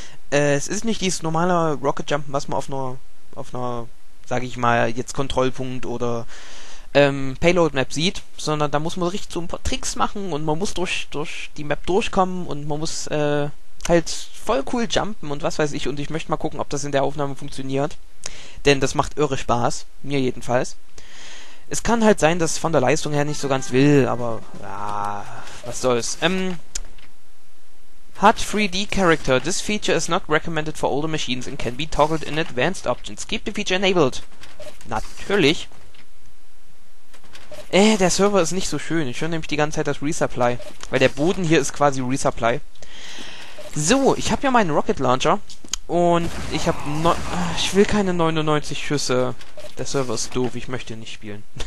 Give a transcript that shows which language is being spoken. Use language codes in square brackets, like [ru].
[de] Es ist nicht dieses normale Rocket Jumpen, was man auf einer, sag ich mal, jetzt Kontrollpunkt oder Payload-Map sieht, sondern da muss man richtig so ein paar Tricks machen und man muss durch die Map durchkommen und man muss halt voll cool jumpen und was weiß ich, und ich möchte mal gucken, ob das in der Aufnahme funktioniert, denn das macht irre Spaß, mir jedenfalls. Es kann halt sein, dass es von der Leistung her nicht so ganz will, aber ja, was soll's. [en] Hard 3D Character. This feature is not recommended for older machines and can be toggled in advanced options. Keep the feature enabled. [de] Natürlich. Der Server ist nicht so schön. Ich höre nämlich die ganze Zeit das Resupply. Weil der Boden hier ist quasi Resupply. So, ich habe ja meinen Rocket Launcher. Und ich habe ich will keine 99 Schüsse. Der Server ist doof. Ich möchte nicht spielen.